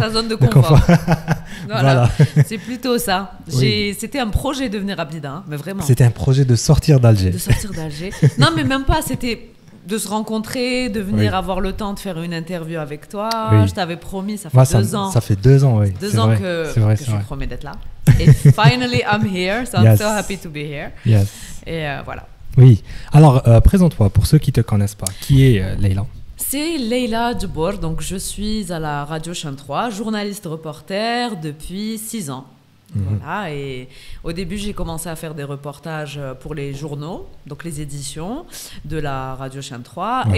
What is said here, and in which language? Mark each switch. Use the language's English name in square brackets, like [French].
[French] Sa zone de confort. Voilà, c'est plutôt ça. C'était un projet de venir à Blida, hein, mais vraiment. C'était un projet de sortir d'Alger. De sortir d'Alger. Non, mais même pas, c'était de se rencontrer, de venir avoir le temps de faire une interview avec toi. Oui. Je t'avais promis, ça fait deux ans. Ça fait deux ans, oui. Deux ans, c'est vrai. Promis d'être là. [English] Et finally, I'm here, so I'm so happy to be here. Yes. [French] Et voilà. Oui. Alors, présente-toi pour ceux qui ne te connaissent pas. Qui est Leïla? C'est Leïla Djebbour. Donc, je suis à la Radio Chaîne 3, journaliste reporter depuis 6 ans. Mm-hmm. Voilà. Et au début, j'ai commencé à faire des reportages pour les journaux, donc les éditions de la Radio Chaîne 3. Ouais.